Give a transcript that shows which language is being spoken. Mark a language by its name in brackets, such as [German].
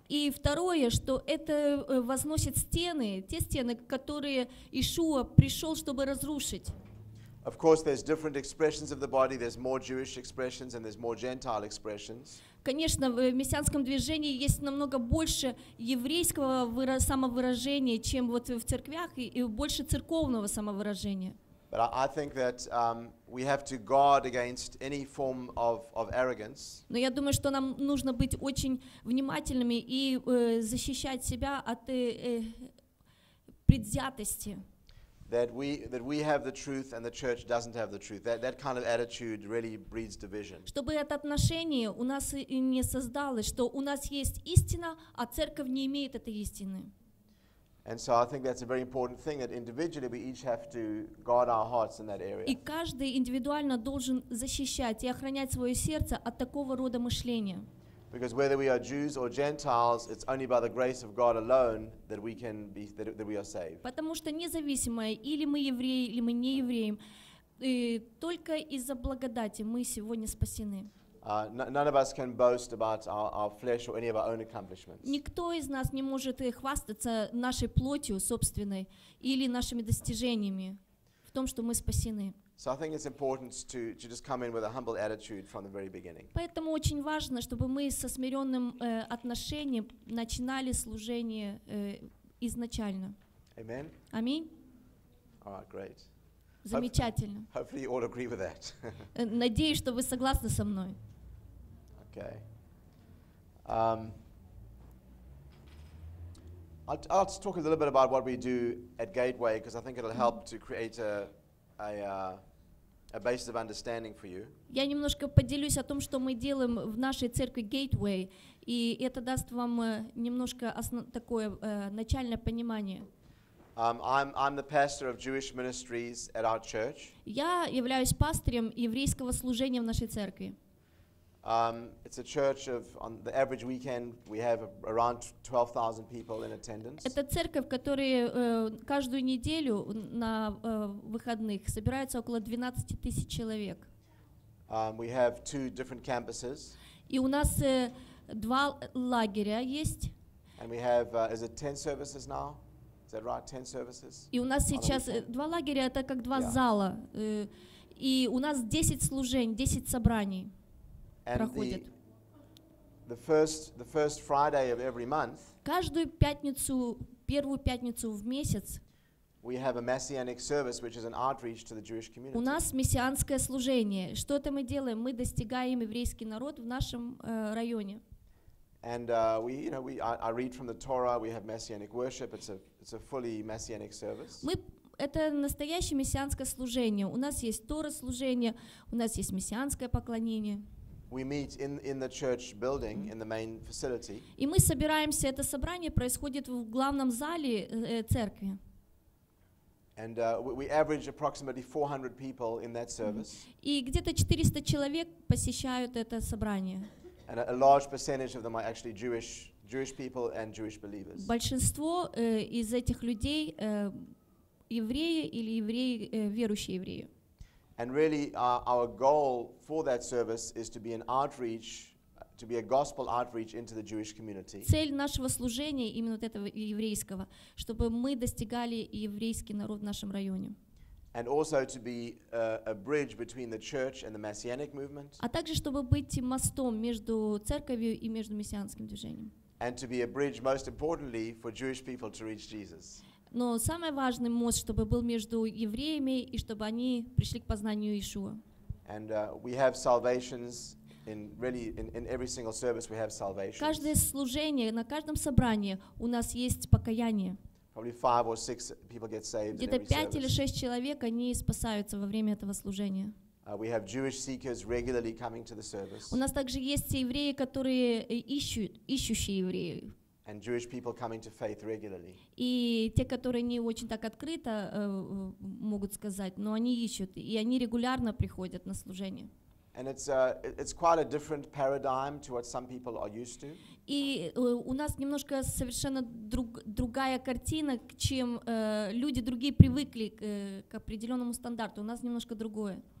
[Russian] И второе, что это возносит стены, те стены, которые Иешуа пришел, чтобы разрушить. [English] Of course, there's different expressions of the body. There's more Jewish expressions and there's more Gentile expressions. [Russian] Конечно, в мессианском движении есть намного больше еврейского самовыражения, чем вот в церквях, и больше церковного самовыражения. [English] But I think that we have to guard against any form of arrogance. [Russian] Но я думаю, что нам нужно быть очень внимательными и защищать себя от предвзятости. [English] That we have the truth and the church doesn't have the truth. That kind of attitude really breeds division. [Russian] Чтобы это отношение у нас не создалось, что у нас есть истина, а церковь не имеет этой истины. [English] And so I think that's a very important thing that individually we each have to guard our hearts in that area. [Russian] И каждый индивидуально должен защищать и охранять свое сердце от такого рода мышления. [English] Because whether we are Jews or Gentiles, it's only by the grace of God alone that we can be that we are saved. [Russian] Потому что независимо, или мы евреи, или мы не евреи, только из-за благодати мы сегодня спасены. [English] None of us can boast about our flesh or any of our own accomplishments. [Russian] Никто из нас не может хвастаться нашей плотью собственной или нашими достижениями в том, что мы спасены. [English] So I think it's important to just come in with a humble attitude from the very beginning. [Russian] Поэтому очень важно, чтобы мы со смиренным отношением начинали служение изначально. [English] Amen. [Russian] Аминь. [English] All right, great. [Russian] Замечательно. [English] Hopefully you all agree with that. [Russian] Надеюсь, что вы согласны со мной. [English] Okay. I'll just talk a little bit about what we do at Gateway because I think it'll help to create a basis of understanding for you. [Russian] Я немножко поделюсь о том, что мы делаем в нашей церкви Gateway, и это даст вам немножко такое начальное понимание. [English] I'm the pastor of Jewish ministries at our church. [Russian] Я являюсь пастырем еврейского служения в нашей церкви. [English] It's a church of on the average weekend we have around 12,000 people in attendance. [Russian] Это церковь, в которой каждую неделю на выходных собирается около 12,000 человек. [English] We have two different campuses. [Russian] И у нас два лагеря есть. [English] And we have is it 10 services now? Is that right? 10 services? [Russian] И у нас сейчас два лагеря, это как два зала. И у нас 10 служений, 10 собраний. [English] And the first Friday of every month. [Russian] Каждую пятницу, первую пятницу в месяц. [English] We have a messianic service, which is an outreach to the Jewish community. [Russian] У нас мессианское служение. Что это мы делаем? Мы достигаем еврейский народ в нашем районе. [English] And I read from the Torah. We have messianic worship. It's a fully messianic service. [Russian] Это настоящее мессианское служение. У нас есть Тора служение. У нас есть мессианское поклонение. [English] We meet in the church building in the main facility. [Russian] И мы собираемся, это собрание происходит в главном зале церкви. [English] And we average approximately 400 people in that service. [Russian] И где-то 400 человек посещают это собрание. [English] And a large percentage of them are actually Jewish people and Jewish believers. [Russian] Большинство из этих людей евреи или евреи верующие евреи. [English] And really, our goal for that service is to be an outreach, to be a gospel outreach into the Jewish community. [Russian] Цель нашего служения именно вот этого еврейского, чтобы мы достигали еврейский народ в нашем районе. [English] And also to be a bridge between the church and the messianic movement. [Russian] А также чтобы быть мостом между церковью и между мессианским движением. [English] And to be a bridge, most importantly, for Jewish people to reach Jesus. [Russian] Но самый важный мост, чтобы был между евреями и чтобы они пришли к познанию Иешуа. [English] And we have salvations in really in every single service we have salvations. [Russian] Каждое служение, на каждом собрании у нас есть покаяние. [English] Probably five or six people get saved. [Russian] Где-то пять или шесть человек они спасаются во время этого служения. [English] We have Jewish seekers regularly coming to the service. [Russian] У нас также есть евреи, которые ищущие евреи. [English] And Jewish people coming to faith regularly. [Russian] И те, которые не очень так открыто могут сказать, но они ищут, и они регулярно приходят на служение. [English] And it's quite a different paradigm to what some people are used to. [Russian] И у нас немножко совершенно другая картина, чем люди другие привыкли к определенному стандарту. У нас немножко другое.